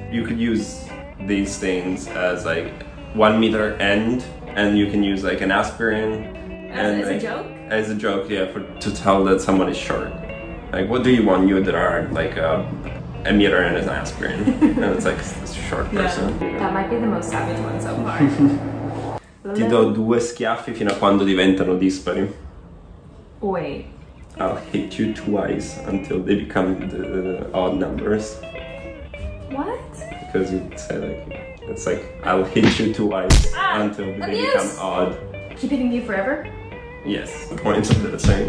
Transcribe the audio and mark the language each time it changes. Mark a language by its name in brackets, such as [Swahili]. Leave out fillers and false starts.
[English] You could use these things as like 1 meter end. And you can use like an aspirin. As a joke, yeah, to tell that someone is short. Like, what do you want? You that are like a meter and an aspirin. And it's like a short person. Yeah. That might be the most savage one so far. [Italian] Ti do due schiaffi fino a quando diventano dispari. [English] Wait. I'll hit you twice until they become the odd numbers. What? Because you say like. It's like, I'll hit you twice until they become odd. Keep hitting you forever? Yes, the point of the thing.